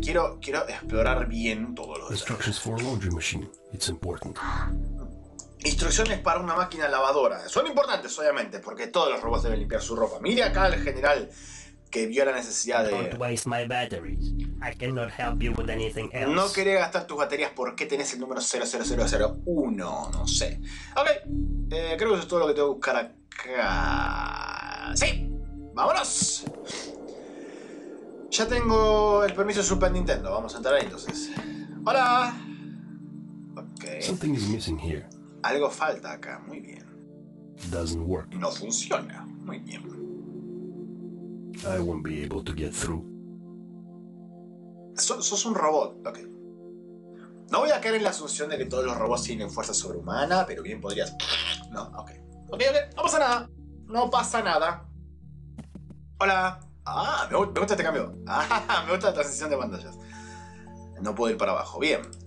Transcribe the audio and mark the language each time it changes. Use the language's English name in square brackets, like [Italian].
[Spanish] Quiero explorar bien todo lo demás. [English] Instructions for a laundry machine. It's important. [Spanish] Instrucciones para una máquina lavadora. Son importantes, obviamente, porque todos los robots deben limpiar su ropa. Mire acá al general que vio la necesidad de... [English] Don't waste my batteries. I cannot help you with anything else. [Spanish] No quería gastar tus baterías porque tenés el número 00001. No sé. Ok. Creo que eso es todo lo que tengo que buscar acá. ¡Sí! ¡Vámonos! Ya tengo el permiso de Super Nintendo. Vamos a entrar ahí entonces. ¡Hola! Ok. [English] Something is missing here. [Spanish] Algo falta acá, muy bien. [English] Doesn't work. [Spanish] No funciona, muy bien. [English] I won't be able to get through. [Spanish] Sos un robot, ok. No voy a caer en la asunción de que todos los robots tienen fuerza sobrehumana, pero bien podrías... No, ok. Ok, no pasa nada. No pasa nada. Hola. Ah, me gusta este cambio. Ah, me gusta la transición de pantallas. No puedo ir para abajo, bien.